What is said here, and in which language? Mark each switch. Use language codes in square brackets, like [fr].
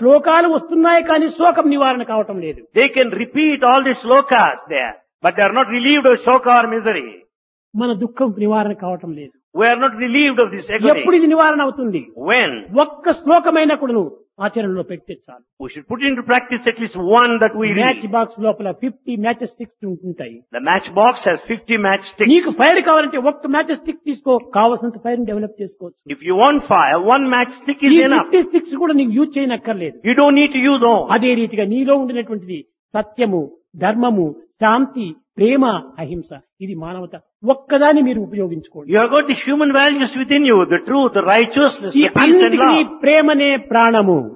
[te] శ్లోకాలు వస్తున్నాయి కానీ శోకం నివారణ కావటం లేదు. [en] They can repeat all the shlokas there but they are not relieved of shoka or misery. [te] మన దుఃఖం నివారణ కావటం లేదు. [en] We are not relieved of this agony. [te] ఎప్పుడు ఇది నివారణ అవుతుంది? [en] When? [te] ఒక్క శ్లోకమైనా కూడా ఆచరణలో పెట్టే చాలు. [en] We should put into practice at least one that we [te] read. Match box లోపల 50 match sticks ఉంటాయి. [en] The match box has 50 match sticks. [te] నీకు ఫైర్ కావాలంటే ఒక్క మ్యాచ్ స్టిక్ తీసుకో, కావాల్సినంత ఫైర్ డెవలప్ చేసుకోవచ్చు. [en] If you want fire, one match stick is enough. [te] 50 sticks కూడా నీకు use చేయనక్కర్లేదు. [en] You don't need to use all. [te] అదే రీతిగా నీలో ఉండినటువంటిది సత్యము, ధర్మము, శాంతి, ప్రేమ, అహింస, ఇది మానవత, ఒక్కదాన్ని మీరు ఉపయోగించుకోండి. [en] You have got the human values within you, the truth, righteousness, the peace and love. [te] ఈ ప్రేమనే ప్రాణము.